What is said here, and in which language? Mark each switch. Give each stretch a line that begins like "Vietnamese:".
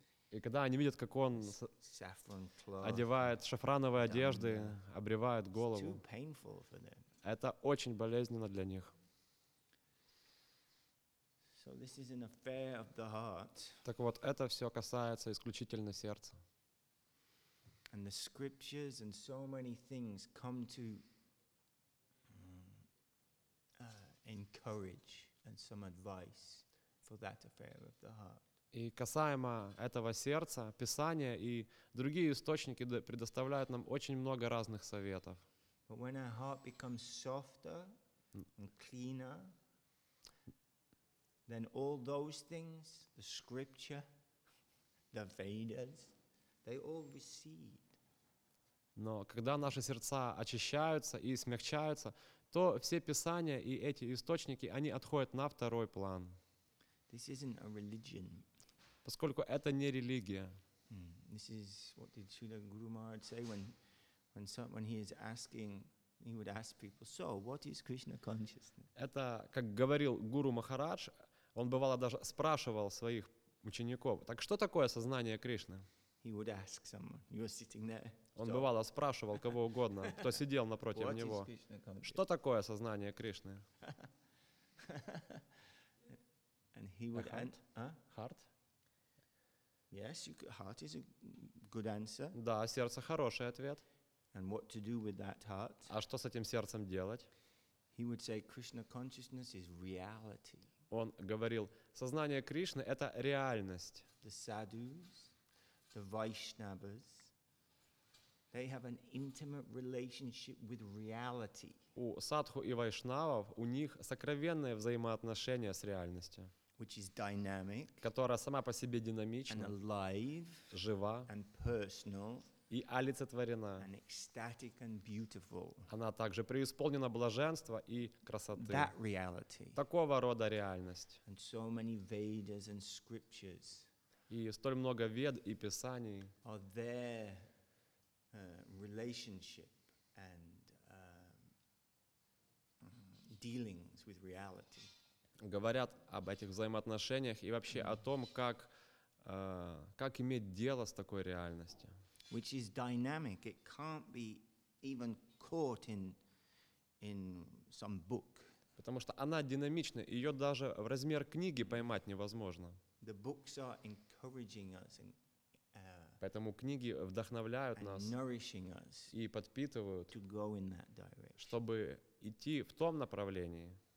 Russian: И когда они видят, как он одевает шафрановые одежды, обривает голову, это очень болезненно для них.
English: So this is an affair of the heart.
Russian: Так вот, это все касается исключительно сердца.
English: And the scriptures and so many things come to encourage and some advice for that affair of the heart.
Russian: И касаемо этого сердца, Писание и другие источники предоставляют нам очень много разных советов.
English: But when our heart becomes softer and cleaner, then all those things, the scripture, the Vedas, they all recede.
Russian: Но когда наши сердца очищаются и смягчаются, то все Писания и эти источники, они отходят на второй план.
English: This isn't a religion.
Russian: Поскольку это не религия.
English: This is what did Srila Guru Maharaj say when he is asking, he would ask people, so what is Krishna consciousness?
Russian: Это, как говорил Гуру Махарадж, он бывало даже спрашивал своих учеников, так что такое сознание Кришны?
English: He would ask someone, you are sitting there.
Russian: Он бывало спрашивал кого угодно, кто сидел напротив него. Что такое сознание Кришны?
English: And he would heart? Yes, heart is a good answer.
Russian: Да, сердце хороший ответ.
English: And what to do with that heart?
Russian: А что с этим сердцем делать?
English: He would say Krishna consciousness is reality.
Russian: Он говорил, сознание Кришны это реальность.
English: The sadhus, the Vaishnavas, they have an intimate relationship with reality.
Russian: У садху и вайшнавов у них сокровенное взаимоотношение с реальностью.
English: Which is dynamic,
Russian: которая сама по себе динамична,
English: and alive,
Russian: жива,
English: and personal,
Russian: и олицетворена.
English: And ecstatic and beautiful.
Russian: Она также преисполнена блаженства и красоты.
English: That reality.
Russian: Такого рода реальность.
English: And so many Vedas and scriptures.
Russian: И столь много вед и писаний.
English: Are their relationship and dealings with reality.
Russian: Говорят об этих взаимоотношениях и вообще о том, как иметь дело с такой реальностью.
English: Which is dynamic. It can't be even caught in some book.
Russian: Потому что она динамична, ее даже в размер книги поймать невозможно.
English: The books are encouraging us and
Russian: Поэтому книги вдохновляют нас и подпитывают, чтобы идти в том направлении.